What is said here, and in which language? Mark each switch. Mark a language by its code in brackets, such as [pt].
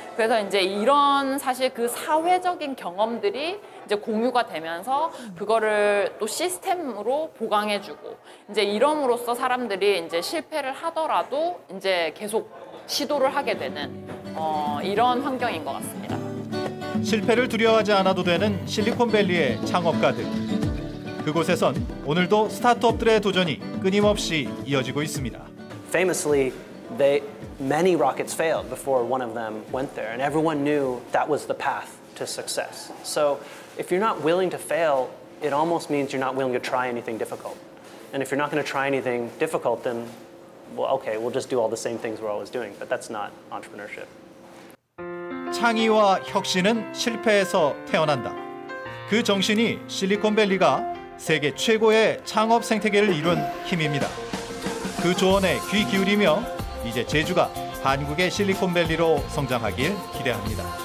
[ko] 그래서 이제 이런 사실 그 사회적인 경험들이 이제 공유가 되면서 그거를 또 시스템으로 보강해주고 이제 이러므로써 사람들이 이제 실패를 하더라도 이제 계속 시도를 하게 되는 이런 환경인 것 같습니다. 실패를 두려워하지 않아도 되는 실리콘밸리의 창업가들. 그곳에선 오늘도 스타트업들의 도전이 끊임없이 이어지고 있습니다. [en] Famously, many rockets failed before one of them went there, and everyone knew that was the path to success. So, if you're not willing to fail, it almost means you're not willing to try anything difficult. And if you're not going to try anything difficult, then, well, okay, we'll just do all the same things we're always doing. But that's not entrepreneurship. [ko] 창의와 혁신은 실패에서 태어난다. 그 정신이 실리콘밸리가 세계 최고의 창업 생태계를 이룬 힘입니다. 그 조언에 귀 기울이며 이제 제주가 한국의 실리콘밸리로 성장하길 기대합니다.